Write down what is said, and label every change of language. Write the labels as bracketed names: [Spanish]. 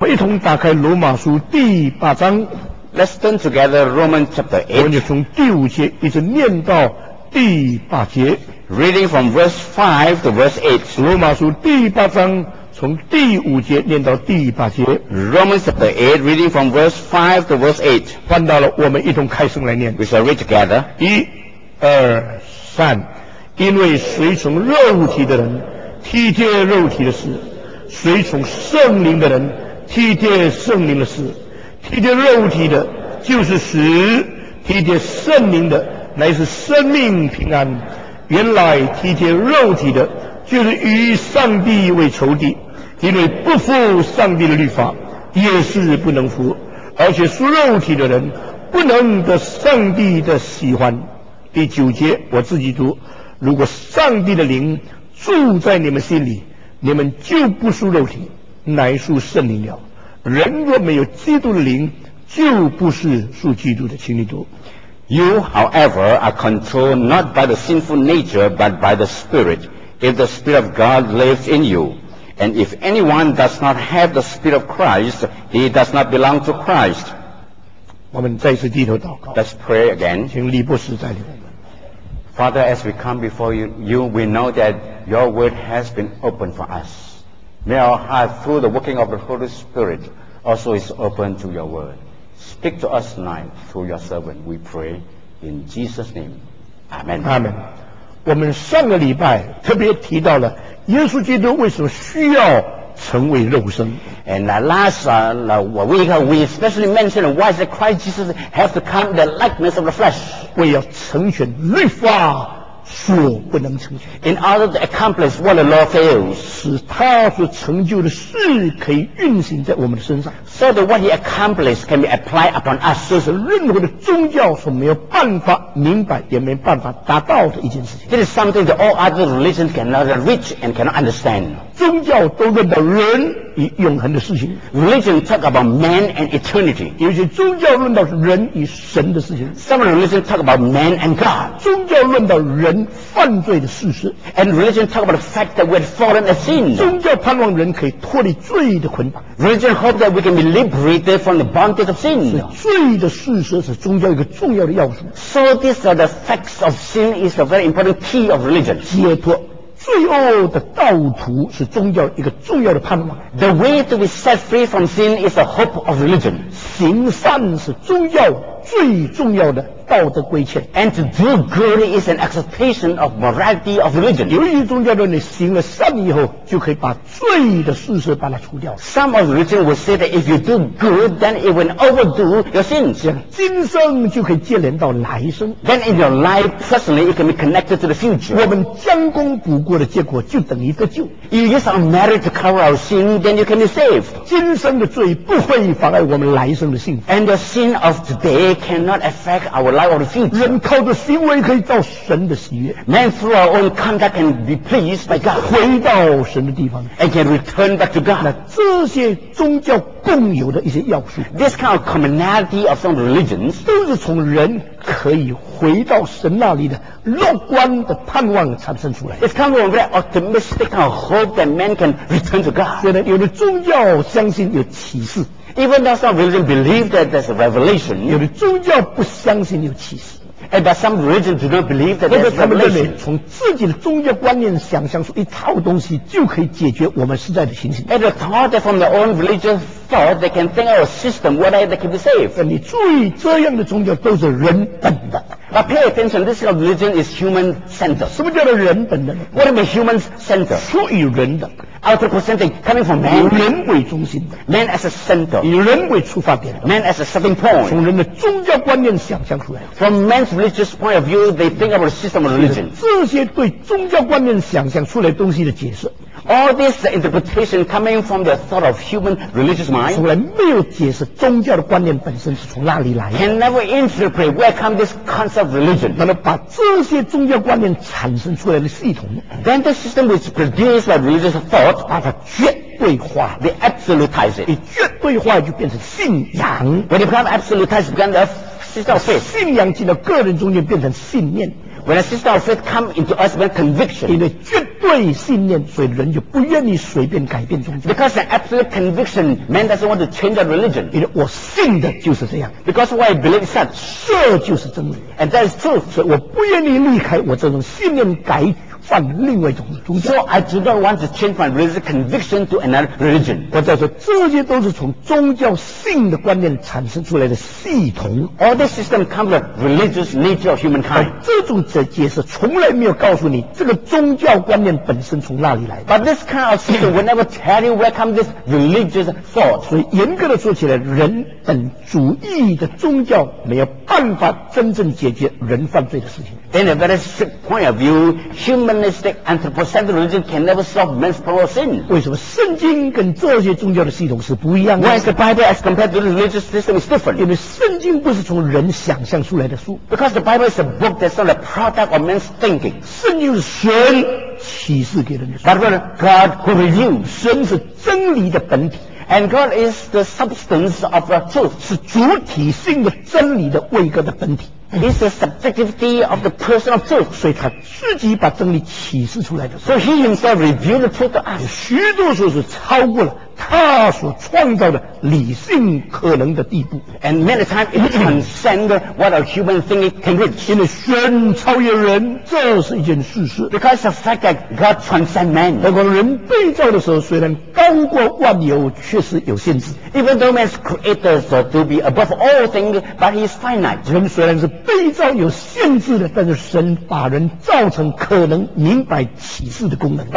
[Chinese] 一同打开罗马书第八章。 [English] Let's turn together Romans chapter 8. [Chinese] 我们就从第五节一直念到第八节。 [English] Reading from verse 5 to verse 8. [Chinese] 罗马书第八章从第五节念到第八节。 [English] Romans chapter 8, reading from verse 5 to verse 8. [Chinese] 换到了我们一同开声来念。 [English] We shall read together. [Chinese] 一、二、三。因为随从肉体的人体贴肉体的事，随从圣灵的人体贴圣灵的事。体贴肉体的就是死，体贴圣灵的乃是生命平安。原来体贴肉体的就是与上帝为仇敌，因为不服上帝的律法也是不能服，而且属肉体的人不能得上帝的喜欢。第九节我自己读，如果上帝的灵住在你们心里，你们就不属肉体乃属圣灵了。人若没有基督的灵，就不是属基督的。请你读。 [English] You, however, are controlled not by the sinful nature, but by the Spirit, if the Spirit of God lives in you. And if anyone does not have the Spirit of Christ, he does not belong to Christ. [Chinese] 我们再次低头祷告。 [English] Let's pray again. [Chinese] 请李博士带领我们。 [English] Father, as we come before you, we know that your word has been opened for us. May our heart, through the working of the Holy Spirit, also is open to your word. Speak to us tonight through your servant, we pray in Jesus' name. Amen. Amen. [Chinese] 我们上个礼拜特别提到了耶稣基督为什么需要成为肉身。 [English] And last week, we especially mentioned why is Christ Jesus has to come in the likeness of the flesh. [Chinese] 为要成全律法。所不能成就 [English] In order to accomplish what the law fails [Chinese] 使他所成就的事可以运行在我们的身上 [English] So that what he accomplished can be applied upon us [Chinese] 这是任何的宗教所没有办法明白也没办法达到的一件事情 [English] This is something that all other religions cannot reach and cannot understand [Chinese] 宗教都认得人与永恒的事情 [English] Religion talk about man and eternity [Chinese] 有些宗教论到人与神的事情 [English] Some religion talk about man and God [Chinese] 宗教论到人犯罪的事实 [English] And religion talk about the fact that we have fallen a sin [Chinese] 宗教盼望人可以脱离罪的捆绑 [English] Religion hope that we can be liberated from the bondage of sin [Chinese] 罪的事实是宗教一个重要的要素 [English] So these are the facts of sin is a very important key of religion [Chinese] 解脱罪恶的道途是宗教一个重要的盼望。 [English] The way to be set free from sin is the hope of religion. [Chinese] 行善是宗教最重要的道德规劝。 [English] And to do good is an expectation of morality of religion. [Chinese] 由于宗教论你行了善以后就可以把罪的事实把它除掉。 [English] Some of religion will say that if you do good, then it will overdo your sins. [Chinese] 今生就可以接连到来生。 [English] Then in your life, personally, it can be connected to the future. [Chinese] 我们将功补过的结果就等于得救。 [English] If you use our merit to cover our sin, then you can be saved. [Chinese] 今生的罪不会妨碍我们来生的幸福。 [English] And the sin of today,It cannot affect our life or the future. [Chinese] 人靠着行为可以造神的喜悦。 [English] Man through our own conduct can be pleased by God. [Chinese] 回到神的地方。 [English] And can return back to God. [Chinese] 那这些宗教共有的一些要素。 [English] This kind of commonality of some religions. [Chinese] 都是从人可以回到神那里的乐观的盼望产生出来。 [English] It's kind of a very optimistic kind of hope that man can return to God. [Chinese] 所以有的宗教相信有启示。 [English] Even though some religion believe that there's a revelation, [Chinese] 有的宗教不相信有启示。 [English] And that some religion do not believe that there's a revelation. [Chinese] 他们认为从自己的宗教观念想象出一套东西就可以解决我们实在的情形。 [English] And they thought that from their own religious thought, they can think of a system where they can be saved. [Chinese] 你注意，这样的宗教都是人本的。 [English] But pay attention, this kind of religion is human-centered. [Chinese] 什么叫做人本的呢？ [English] What is human-centered? [Chinese] 出于人的。 [English] Outer presenting coming from man. [Chinese] 人为中心的。 [English] Man as a center. [Chinese] 以人为出发点的。 [English] Man as a starting point. [Chinese] 从人的宗教观念想象出来。 [English] From man's religious point of view, they think of a system of religion. [Chinese] 这些对宗教观念想象出来东西的解释。 [English] All this interpretation coming from the thought of human religious mind [Chinese] 从来没有解释宗教的观念本身是从哪里来的 [English] Can never interpret where come this concept of religion [Chinese] 那么把这些宗教观念产生出来的系统 [English] Then the system which produced by religious thought [Chinese] 把它绝对化 [English] They absolutize it [Chinese] 一绝对化就变成信仰 [English] When it becomes absolutized, it becomes a system of faith [Chinese] 信仰进到个人中间变成信念 [English] When a system of faith comes into us, it becomes conviction [Chinese] 因为绝对对信念，所以人就不愿意随便改变宗教。 [English] Because an absolute conviction, man doesn't want to change a religion. [Chinese] 因为我信的就是这样。 [English] Because what I believe is that, [Chinese] 这就是真理。 [English] And that is truth. [Chinese] 所以我不愿意离开我这种信念改换另外一种宗教。 [English] So I do not want to change my religious conviction to another religion. [Chinese] 我在说，这些都是从宗教性的观念产生出来的系统。 [English] All this system comes from religious nature of humankind. [Chinese] 这种解释从来没有告诉你这个宗教观念本身从哪里来的。 [English] But this kind of system will never tell you where comes this religious thought. [Chinese] 所以严格的说起来，人本主义的宗教没有办法真正解决人犯罪的事情。 [English] In a very strict point of view, humanistic anthropocentric religion can never solve man's problem of sin. [Chinese] 为什么圣经跟这些宗教的系统是不一样的？ [English] Why is the Bible as compared to the religious system is different? [Chinese] 因为圣经不是从人想象出来的书。 [English] Because the Bible is a book that's not a product of man's thinking. [Chinese] 圣经是神启示给人的 [English] 书。But God who reveals. [Chinese] 神是真理的本体。 [English] And God is the substance of the truth. [Chinese] 是主体性的真理的位格的本体。 [English] It's the subjectivity of the person of truth. [Chinese] 所以他自己把真理启示出来的。 [English] So he himself revealed the truth to us. [Chinese] 许多时候是超过了他所创造的理性可能的地步。 [English] And many times it transcends what a human thing can reach. [Chinese] 因为神超越人，这是一件事实。 [English] Because the fact that God transcends man. [Chinese] 包括人被造的时候，虽然高过万有，确实有限制。 [English] Even though man's created so to be above all things, but he is finite. [Chinese] 人虽然是被造有限制的，但是神把人造成可能明白启示的功能。